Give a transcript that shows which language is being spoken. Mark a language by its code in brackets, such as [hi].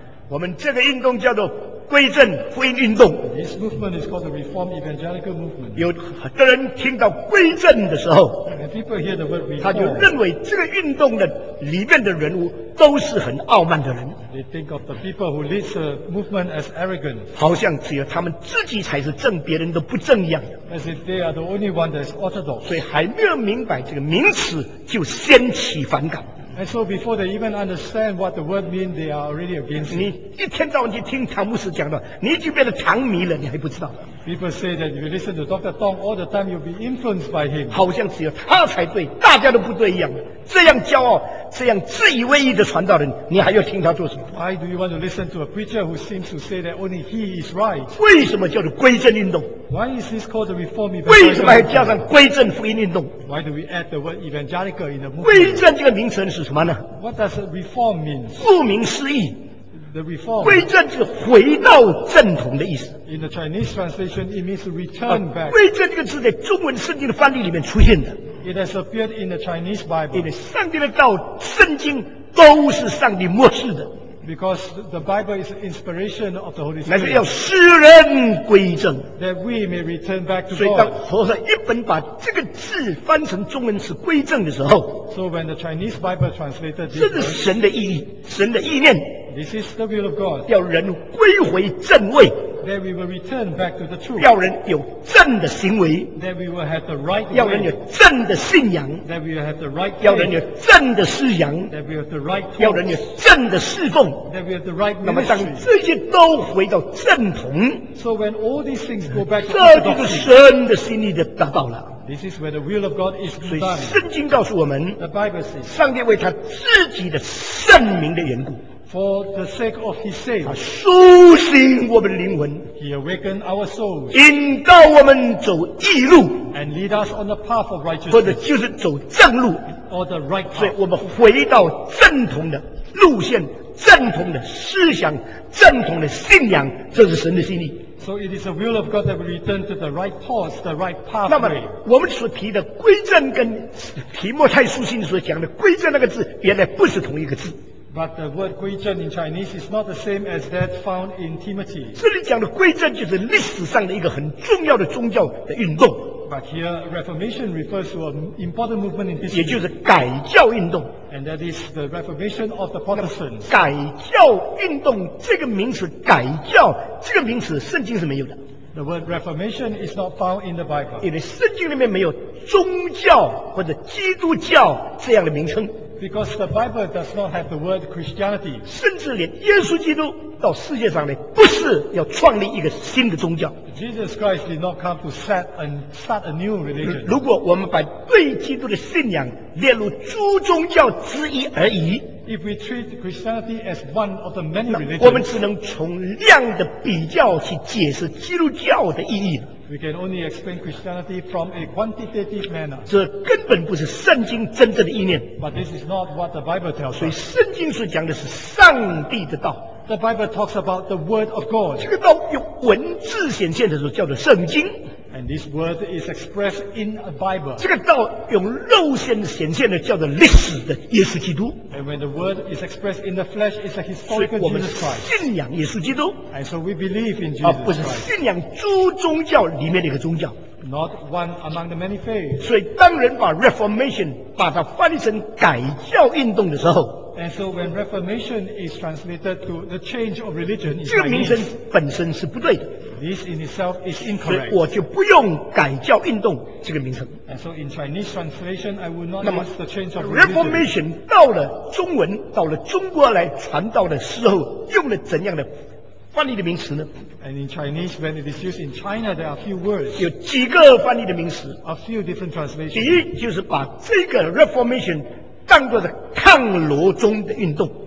[zh] 我们这个运动叫做归正福音运动。 [en] This movement is called the Reformed Evangelical Movement. [zh] 有的人听到归正的时候， [en] reform, [zh] 他就认为这个运动的里面的人物都是很傲慢的人。 [en] They think of the people who lead the movement as arrogant. [zh] 好像只有他们自己才是正，别人都不正一样。 [en] As if they are the only one that is orthodox. [zh] 所以还没有明白这个名词，就掀起反感。 [en] And so before they even understand what the word means, they are already against it. [zh] 你一天到晚去听唐牧师讲的，你就变得唐迷了，你还不知道。 [en] People say that if you listen to Dr. Tong all the time, you'll be influenced by him. [zh] 好像只有他才对，大家都不对一样。这样骄傲，这样自以为意的传道人，你还要听他做什么？ [en] Why do you want to listen to a preacher who seems to say that only he is right? [zh] 为什么叫做归正运动？ [en] Why is this called the Reform Evangelical? [zh] 为什么还加上归正福音运动？ [en] Why do we add the word evangelical in the movement? [zh] 归正这个名词是什么呢？ [en] What does reform mean? [zh] 顾名思义。 [en] The reform. [zh] 归正是回到正统的意思。 [en] In the Chinese translation, it means return back. [zh] 归正这个字在中文圣经的翻译里面出现的。 [en] It has appeared in the Chinese Bible. [zh] 因为上帝的道，圣经都是上帝默示的。 [en] Because the Bible is inspiration of the Holy Spirit. [zh] 乃是要使人归正。 [en] That we may return back to God. [zh] 所以当和尚一本把这个字翻成中文是归正的时候 [en] ，So when the Chinese Bible translated [zh] this, 这是神的意义，神的意念。 [en] This is the will of God. [zh] 要人归回正位。 [en] That we will return back to the truth. [zh] 要人有正的行为。 [en] That we will have the right. [zh] 要人有正的信仰。 [en] That we will have the right. [zh] 要人有正的思想。 [en] That we have the right. [zh] 要人有正的侍奉。 [en] That we have the right. [zh] 那么当这些都回到正统。 [en] So when all these things go back to the truth. [zh] 这就是神的心意的达到了。 [en] This is where the will of God is done. [zh] 所以圣经告诉我们。 [en] The Bible says. [zh] 上帝为他自己的圣名的缘故。 [en] For the sake of his sake, [zh] 他苏醒我们的灵魂 [en] he awakened our souls, [zh] 引导我们走义路 [en] and lead us on the path of righteousness, [zh] 或者就是走正路 [en] or the right path. [zh] 所以我们回到正统的路线正统的思想正统的信仰这是神的心意 [en] So it is the will of God that we return to the right course, the right path. [zh] 那么我们所提的归正跟提摩太书信所讲的归正那个字原来不是同一个字 [en] But the word 归正 in Chinese is not the same as that found in Timothy. [zh] 这里讲的归正就是历史上的一个很重要的宗教的运动。 [en] But here, Reformation refers to an important movement in history. [zh] 也就是改教运动。 [en] And that is the Reformation of the Protestants. [zh] 改教运动这个名词，改教这个名词，圣经是没有的。 [en] The word Reformation is not found in the Bible. [zh] 因为圣经里面没有宗教或者基督教这样的名称。 [en] Because the Bible does not have the word Christianity. [zh] 甚至连耶稣基督到世界上来，不是要创立一个新的宗教。 [en] Jesus Christ did not come to set and start a new religion. [zh] 如果我们把对基督的信仰列入诸宗教之一而已 [en] ，If we treat Christianity as one of the many religions, [zh] 我们只能从量的比较去解释基督教的意义。 [en] We can only explain Christianity from a quantitative manner. [zh] 这根本不是圣经真正的意念。 [en] But this is not what the Bible tells us. [zh] 所以圣经所讲的是上帝的道。 [en] The Bible talks about the Word of God. [zh] 这个道用文字显现的时候叫做圣经。 [en] And this word is expressed in a Bible. [zh] 这个道用肉身显现的叫做历史的耶稣基督。 [en] And when the word is expressed in the flesh, it's a historical Jesus Christ. [zh] 所以我们信仰耶稣基督。 [en] And so we believe in Jesus Christ. [zh] 不是信仰诸宗教里面的一个宗教。 [en] Not one among the many faiths. [zh] 所以当人把 Reformation 把它翻成改教运动的时候。 [en] And so when Reformation is translated to the change of religion, [zh] 这个名称本身是不对的。 [en] This in itself is incorrect. [zh] 所以我就不用改教运动这个名称。 [en] And so in Chinese translation, I would not use the change of religion. [zh] Reformation 到了中文，到了中国来传道的时候，用了怎样的翻译的名词呢？ [en] And in Chinese, when it is used in China, there are a few words. [zh] 有几个翻译的名词。 [en] A few different translations. [zh] 第一就是把这个 Reformation 当作是抗罗宗的运动。